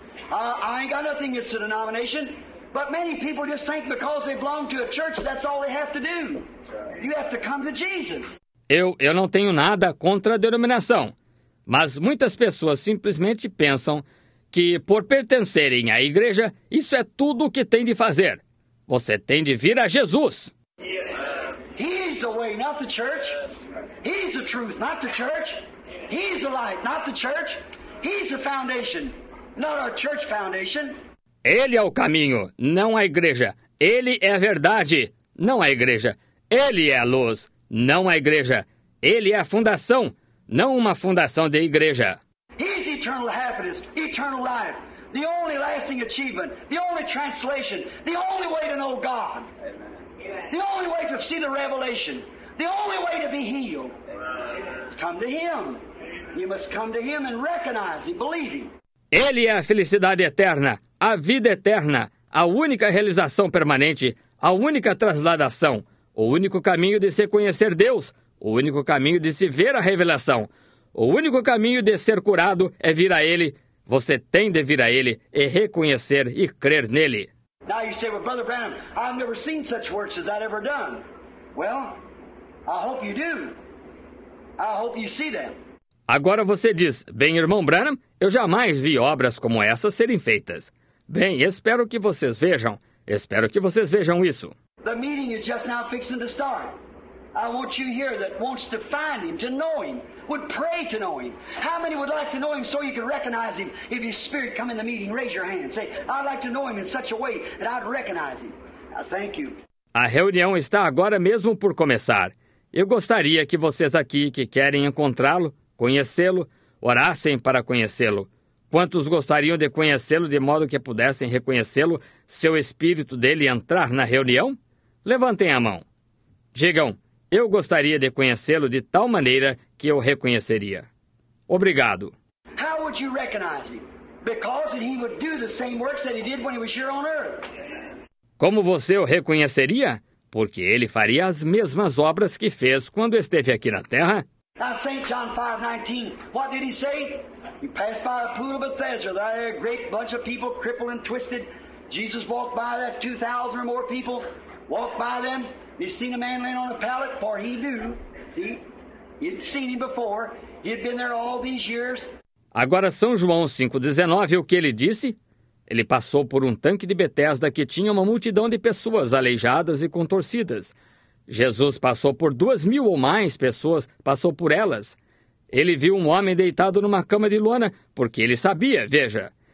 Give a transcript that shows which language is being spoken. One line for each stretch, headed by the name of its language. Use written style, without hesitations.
English: I ain't got nothing against the denomination, but many people just think because they belong to a church, that's all they have to do. You have to come to Jesus.
Portuguese: Eu não tenho nada contra a denominação, mas muitas pessoas simplesmente pensam que por pertencerem à igreja, isso é tudo o que tem de fazer. Você tem de vir a Jesus.
English: He's the way, not the church. He's the truth, not the church. He's the light, not the church. He's the foundation, not our church foundation.
Portuguese: Ele é o caminho, não a igreja. Ele é a verdade, não a igreja. Ele é a luz, não a igreja. Ele é a fundação, não uma fundação de igreja.
English: He's eternal happiness, eternal life, the only lasting achievement, the only translation, the only way to know God, the only way to see the revelation, the only way to be healed. It's come to him. You must come to him and recognize him, believe him.
Portuguese: Ele é a felicidade eterna, a vida eterna, a única realização permanente, a única trasladação, o único caminho de se conhecer Deus, o único caminho de se ver a revelação. O único caminho de ser curado é vir a ele. Você tem de vir a ele e reconhecer e crer nele.
English: Now you say, well, Brother Branham, I've never seen such works as that ever done. Well, I hope you do. I hope you see them.
Portuguese: Agora você diz, bem, irmão Branham, eu jamais vi obras como essas serem feitas. Bem, espero que vocês vejam. Espero que vocês vejam isso.
English: The meeting is just now fixing to start. I want you here that wants to find him, to know him, would pray to know him. How many would like to know him so you can recognize him? If his spirit come in the meeting, raise your hand. Say, I'd like to know him in such a way that I'd recognize him. Thank you.
Portuguese: A reunião está agora mesmo por começar. Eu gostaria que vocês aqui que querem encontrá-lo, conhecê-lo, orassem para conhecê-lo. Quantos gostariam de conhecê-lo de modo que pudessem reconhecê-lo se o espírito dele entrar na reunião? Levantem a mão. Digam, eu gostaria de conhecê-lo de tal maneira que eu reconheceria. Obrigado.
English: How would you recognize him? Because he would do the same works that he did when he was here on earth.
Portuguese: Como você o reconheceria? Porque ele faria as mesmas obras que fez quando esteve aqui na Terra.
English: Now, St. John 5:19, what did he say? He passed by a pool of Bethesda. There were a great bunch of people, crippled and twisted. Jesus walked by that, 2,000 or more people walked by them. He seen a man laying on a pallet, for he knew, see, he'd seen him before. He'd been there all these years.
Portuguese: Agora, São João 5:19, o que ele disse? Ele passou por um tanque de Bethesda que tinha uma multidão de pessoas aleijadas e contorcidas. Jesus passou por 2,000 ou mais pessoas, passou por elas. Ele viu um homem deitado numa cama de lona, porque ele sabia, veja.